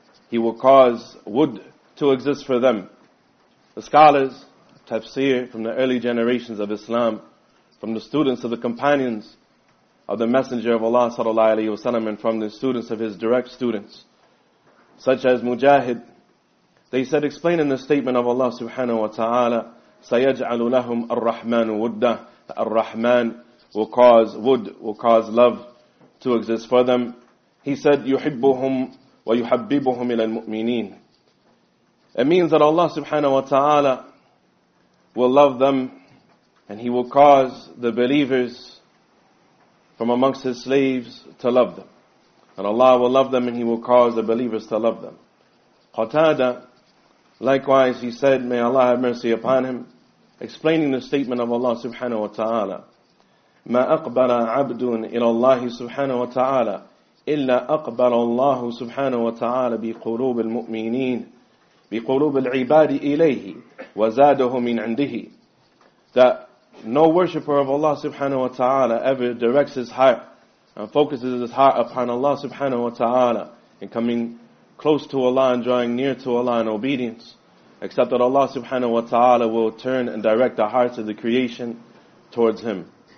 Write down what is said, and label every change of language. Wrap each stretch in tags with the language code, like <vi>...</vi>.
<en>He will cause wood to exist for them. The scholars, tafsir from the early generations of Islam, from the students of the companions of the Messenger of Allah sallallahu alayhi wa sallam, and from the students of His direct students, such as Mujahid, they said, explaining the statement of Allah subhanahu wa ta'ala,</en> <ar>سَيَجْعَلُ لَهُمْ الرَّحْمَنُ وُدَّهُ.</ar> <en>That Ar-Rahman will cause wood, will cause love to exist for them. He said,</en> <ar>يُحِبُّهُمْ وَيُحَبِّبُهُمْ إِلَى الْمُؤْمِنِينَ.</ar> <en>It means that Allah subhanahu wa ta'ala will love them, and He will cause the believers from amongst His slaves to love them. And Allah will love them, and He will cause the believers to love them. Qatada, likewise, he said, may Allah have mercy upon him, explaining the statement of Allah subhanahu wa ta'ala,</en> <ar>مَا أَقْبَلَ عَبْدٌ إِلَى اللَّهِ سُبْحَانَهُ وَتَعَالَى إِلَّا أَقْبَلَ اللَّهُ سُبْحَانَهُ وَتَعَالَى بِقُلُوبِ الْمُؤْمِنِينَ بِقُلُوبِ الْعِبَادِ إِلَيْهِ وَزَادَهُ مِنْ عِنْدِهِ.</ar> <en>That no worshipper of Allah subhanahu wa ta'ala ever directs his heart and focuses his heart upon Allah subhanahu wa ta'ala in coming close to Allah and drawing near to Allah in obedience, except that Allah subhanahu wa ta'ala will turn and direct the hearts of the creation towards Him.</en>